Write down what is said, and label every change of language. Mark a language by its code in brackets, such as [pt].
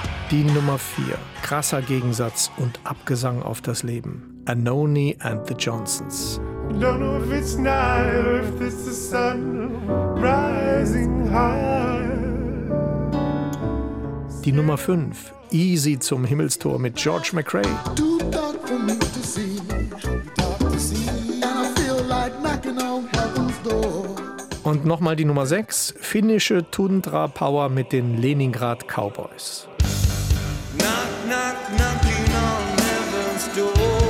[de] Die Nummer 4, krasser Gegensatz und Abgesang auf das Leben, Anoni and the Johnsons. [en] Don't know if it's night or if it's the sun rising high. [de] Die Nummer 5, Easy zum Himmelstor mit George McRae. [en] Too dark for me to see, dark to see, and I feel like knocking on heaven's door. [de] Und nochmal die Nummer 6, finnische Tundra Power mit den Leningrad Cowboys. [en] Knock, knock, knocking on heaven's door.